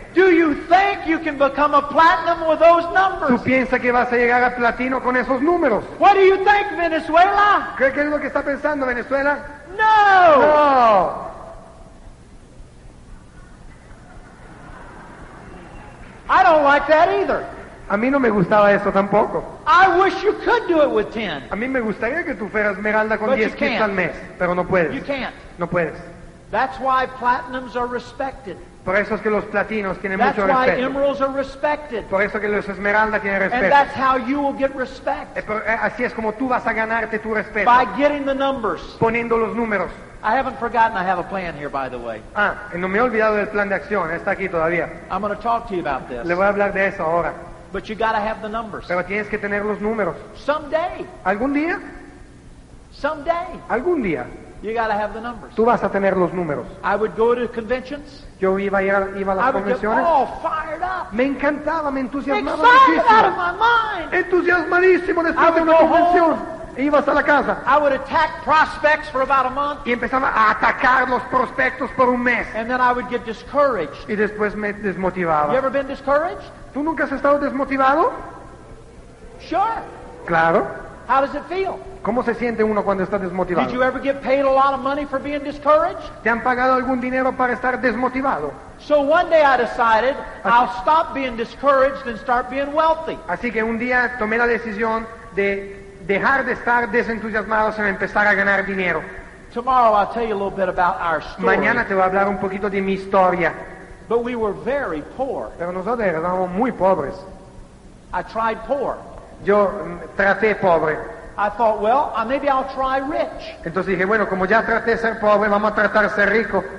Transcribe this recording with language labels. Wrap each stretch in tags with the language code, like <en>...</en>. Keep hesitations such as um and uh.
<en>Do you think you can become a platinum with those numbers?</en> <es>¿Tú piensas que vas a llegar a platino con esos números?</es> <en>What do you think, Venezuela?</en> <es>¿Qué, qué lo que está pensando Venezuela? No. No.</es> <en>I don't like that either.</en> <es>A mí no me gustaba eso tampoco.</es> <en>I wish you could do it with ten.</en> <es>A mí me gustaría que tú fueras esmeralda con diez. 10 kits al mes, pero no puedes.</es> <en>You can't.</en> <es>No puedes.</es> <en>That's why platinums are respected.</en> <es>Por eso es que los platinos tienen that's mucho respeto. Por eso que los esmeraldas tienen respeto. Y así es como tú vas a ganarte tu respeto.</es> <en>By getting the numbers.</en> <es>Poniendo los números.</es> <en>I haven't forgotten I have a plan here, by the way.</en> <es>Ah, no me he olvidado del plan de acción. Está aquí todavía.</es> <en>I'm going to talk to you about this.</en> <es>Le voy a hablar de eso ahora.</es> <en>But you have the numbers.</en> <es>Pero tienes que tener los números. Someday. Algún día. Someday. Algún día.</es> <en>You gotta have the numbers.</en> <es>Tú vas a tener los números.</es> <en>I would go to conventions.</en> <es>Iba a, iba a</es> <en>I Would get all oh, fired up.</en> <es>Me encantaba, me entusiasmaba</es> <en>Excited Out of my mind.</en> <es>Entusiasmadísimo después de una convención. Home. E a casa.</es> <en>I would attack prospects for about a month.</en> <es>Y empezaba a atacar los prospectos por un mes.</es> <en>And then I would get discouraged.</en> <es>Y después me desmotivaba.</es> <en>You ever been discouraged?</en> <es>¿Tú nunca has estado desmotivado? Sure. Claro.</es> <en>How does it feel?</en> <es>¿Cómo se siente uno cuando está desmotivado?</es> <en>Did you ever get paid a lot of money for being discouraged?</en> <es>¿Te han pagado algún dinero para estar desmotivado?</es> <en>So one day I decided i I'll stop being discouraged and start being wealthy.</en> <es>Así que un día tomé la decisión de dejar de estar desentusiasmado y empezar a ganar dinero.</es> <en>Tomorrow I'll tell you a little bit about our story.</en> <es>Mañana te voy a hablar un poquito de mi historia.</es> <en>But we were very poor.</en> <es>Pero nosotros éramos muy pobres.</es> <en>I tried poor. io um,</en> <es>traté pobre.</es> <en>I thought, well, uh, maybe I'll try rich.</en> <es>Entonces dije, bueno, como ya traté ser pobre, vamos a tratar a ser rico.</es>